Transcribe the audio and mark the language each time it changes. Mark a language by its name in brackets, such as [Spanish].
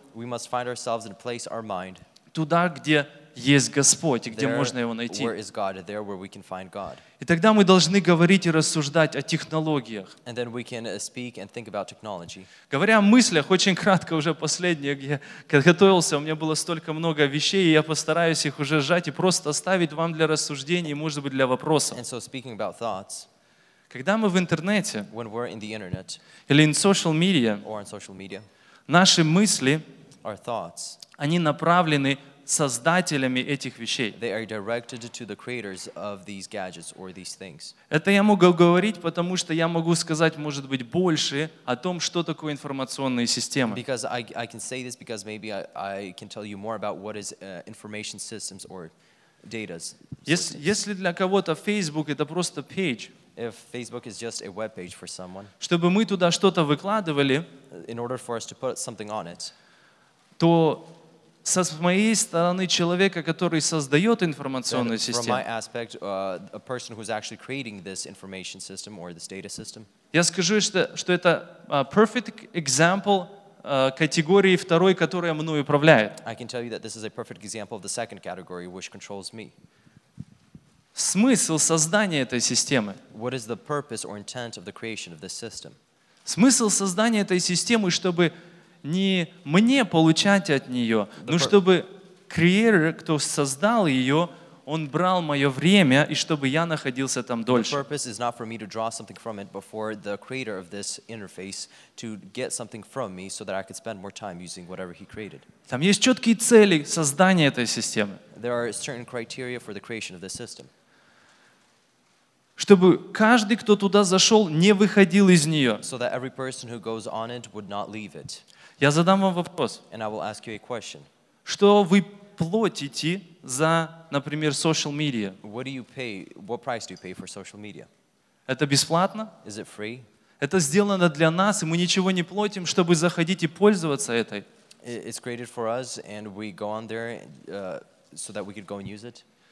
[English] we must find ourselves and place our mind [Russian] туда, где есть Господь, и где можно его найти. [English] Where is God, there where we can find God. [Russian] И тогда мы должны говорить и рассуждать о технологиях. [English] And then we can speak and think about technology. [Russian] Говоря о мыслях, очень кратко уже последнее, я готовился, у меня было столько много вещей, и я постараюсь их уже сжать и просто оставить вам для рассуждений, может быть, для вопросов. [English] And so speaking about thoughts, [Russian] когда мы в интернете [English] when we're in the internet, [Russian] или [English] in social media, or on social media, [Russian] наши мысли, [English] our thoughts, [Russian] они направлены создателями этих вещей. [English] They are directed to the creators of these gadgets or these things. [Russian] Это я могу говорить, потому что я могу сказать, может быть, больше о том, что такое информационные системы. [English] Because I can say this because maybe I can tell you more about what is information systems or data. [Russian] Если для кого-то Facebook это просто page, [English] if Facebook is just a web page for someone, [Russian] чтобы мы туда что-то выкладывали, [English] in order for us to put something on it, [Russian] то со моей стороны человека, который создает информационную систему, [English] from my aspect, a person who's actually creating this information system or this data system, [Russian] я скажу, что это [English] perfect example [Russian] категории второй, которая мной управляет. [English] I can tell you that this is a perfect example of the second category which controls me. [Russian] Смысл создания этой системы. [English] What is the purpose or intent of the creation of this system? [Russian] Смысл создания этой системы, чтобы не мне получать от нее, но чтобы креатор, кто создал ее, он брал мое время, и чтобы я находился там дольше. [English] The purpose is not for me to draw something from it, but for the creator of this interface to get something from me so that I could spend more time using whatever he created. [Russian] Там есть четкие цели создания этой системы. [English] There are certain criteria for the creation of this system. [Russian] Чтобы каждый, кто туда зашел, не выходил из нее. [English] So that every person who goes on it would not leave it. [Russian] Я задам вам вопрос. [English] And I will ask you a question. [Russian] Что вы платите за, например, social media? [English] What do you pay? What price do you pay for social media? [Russian] Это бесплатно? [English] Is it free? [Russian] Это сделано для нас, и мы ничего не платим, чтобы заходить и пользоваться этой. [English] It's created for us, and we go on there so that we could go and use it.